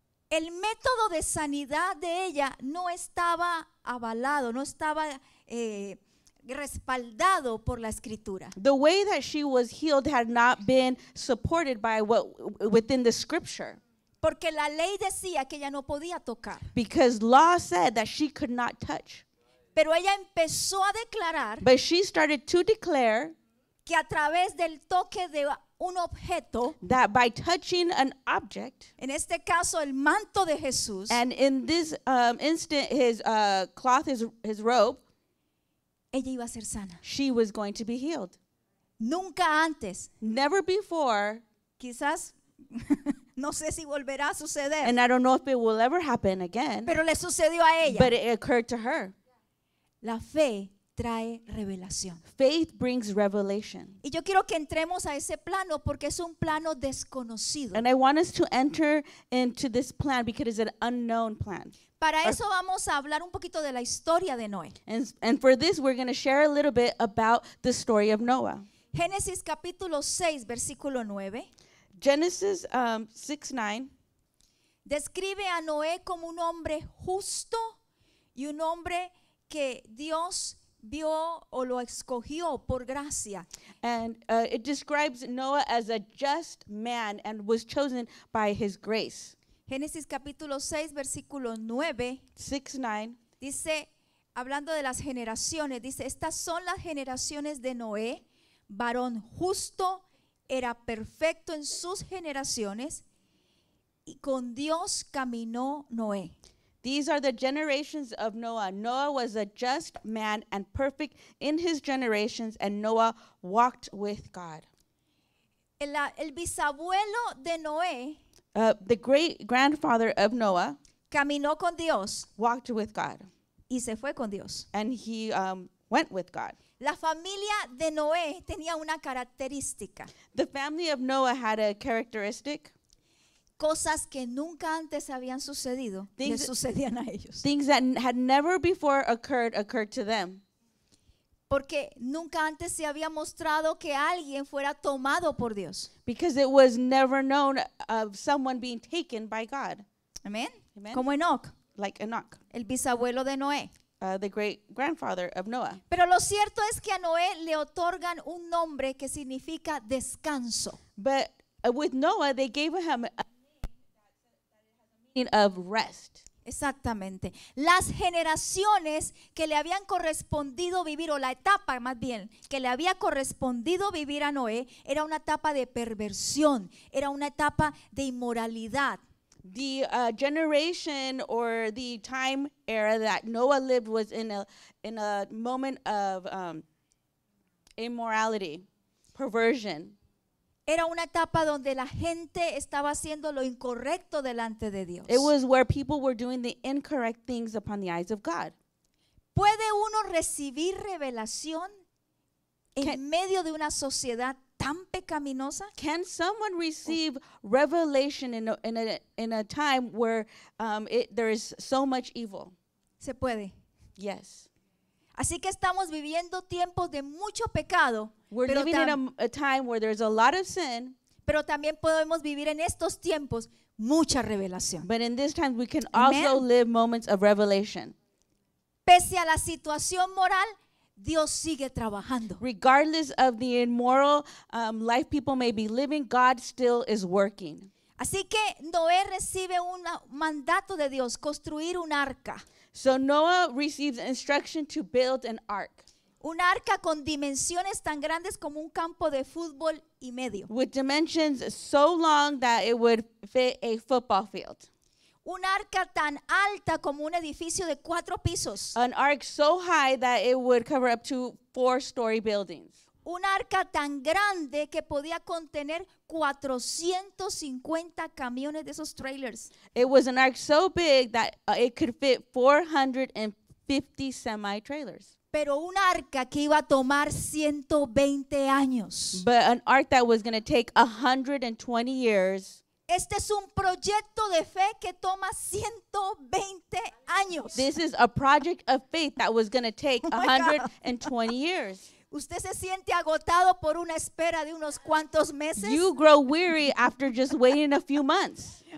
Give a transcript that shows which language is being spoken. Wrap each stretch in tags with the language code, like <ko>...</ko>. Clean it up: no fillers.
<es>El método de sanidad de ella no estaba avalado, no estaba respaldado por la escritura.</es> <en>The way that she was healed had not been supported by what within the scripture.</en> <es>Porque la ley decía que ella no podía tocar.</es> <en>Because law said that she could not touch.</en> <es>Pero ella empezó a declarar.</es> <en>But she started to declare</en> <es>que a través del toque de un objeto,</es> <en>that by touching an object,</en> <es>en este caso el manto de Jesús,</es> <en>and in this instant his cloth, his robe,</en> <es>ella iba a ser sana.</es> <en>She was going to be healed.</en> <es>Nunca antes.</es> <en>Never before.</en> <es>Quizás, no sé si volverá a suceder.</es> <en>And I don't know if it will ever happen again.</en> <es>Pero le sucedió a ella.</es> <en>But it occurred to her.</en> <es>La fe trae revelación.</es> <en>Faith brings revelation.</en> <es>Y yo quiero que entremos a ese plano porque es un plano desconocido.</es> <en>And I want us to enter into this plan because it's an unknown plan.</en> <es>Para eso vamos a hablar un poquito de la historia de Noé.</es> <en>And for this we're going to share a little bit about the story of Noah.</en> <es>Génesis capítulo 6, versículo 9.</es> <en>Genesis 6:9.</en> <es>Describe a Noé como un hombre justo y un hombre que Dios vio o lo escogió por gracia.</es> <en>And it describes Noah as a just man and was chosen by his grace.</en> <es>Génesis capítulo 6, versículo 9,</es> <en>6:9,</en> <es>dice, hablando de las generaciones, dice, estas son las generaciones de Noé, varón justo, era perfecto en sus generaciones, y con Dios caminó Noé.</es> <en>These are the generations of Noah. Noah was a just man and perfect in his generations, and Noah walked with God.</en> <es>El bisabuelo de Noé,</es> <en>The great grandfather of Noah,</en> <es>caminó con Dios,</es> <en>walked with God,</en> <es>y se fue con Dios.</es> <en>And he went with God.</en> <es>La familia de Noé tenía una característica.</es> <en>The family of Noah had a characteristic.</en> <es>Cosas que nunca antes habían sucedido,</es> <en>things,</en> <es>les sucedían a ellos.</es> <en>Things that had never before occurred to them.</en> <es>Porque nunca antes se había mostrado que alguien fuera tomado por Dios.</es> <en>Because it was never known of someone being taken by God.</en> <es>Amen. Amen. Como Enoch.</es> <en>Like Enoch.</en> <es>El bisabuelo de Noé.</es> <en>The great grandfather of Noah.</en> <es>Pero lo cierto es que a Noé le otorgan un nombre que significa descanso.</es> <en>But with Noah, they gave him a meaning of rest.</en> <es>Exactamente. Las generaciones que le habían correspondido vivir, o la etapa más bien, que le había correspondido vivir a Noé, era una etapa de perversión, era una etapa de inmoralidad.</es> <en>The generation or the time era that Noah lived was in a moment of immorality, perversion.</en> <es>Era una etapa donde la gente estaba haciendo lo incorrecto delante de Dios.</es> <en>It was where people were doing the incorrect things upon the eyes of God.</en> <es>¿Puede uno recibir revelación en medio de una sociedad tan pecaminosa?</es> <en>Can someone receive revelation in a time where there is so much evil?</en> <es>Se puede.</es> <en>Yes.</en> <es>Así que estamos viviendo tiempos de mucho pecado.</es> <en>We're living in a time where there's a lot of sin.</en> <es>Pero también podemos vivir en estos tiempos mucha revelación.</es> <en>But in this time we can also live moments of revelation.</en> <es>Pese a la situación moral, Dios sigue trabajando.</es> <en>Regardless of the immoral life people may be living, God still is working.</en> <es>Así que Noé recibe un mandato de Dios, construir un arca.</es> <en>So Noah receives instruction to build an ark.</en> <es>Un arca con dimensiones tan grandes como un campo de fútbol y medio.</es> <en>With dimensions so long that it would fit a football field.</en> <es>Un arca tan alta como un edificio de cuatro pisos.</es> <en>An ark so high that it would cover up to 4-story buildings.</en> <es>Un arca tan grande que podía contener 450 camiones de esos trailers.</es> <en>It was an ark so big that it could fit 450 semi-trailers.</en> <es>Pero un arca que iba a tomar 120 años.</es> <en>But an ark that was going to take 120 years.</en> <es>Este es un proyecto de fe que toma 120 años.</es> <en>This is a project of faith that was going to take 120 years.</en> <es>Usted se siente agotado por una espera de unos cuantos meses.</es> <en>You grow weary after just waiting a few months.</en>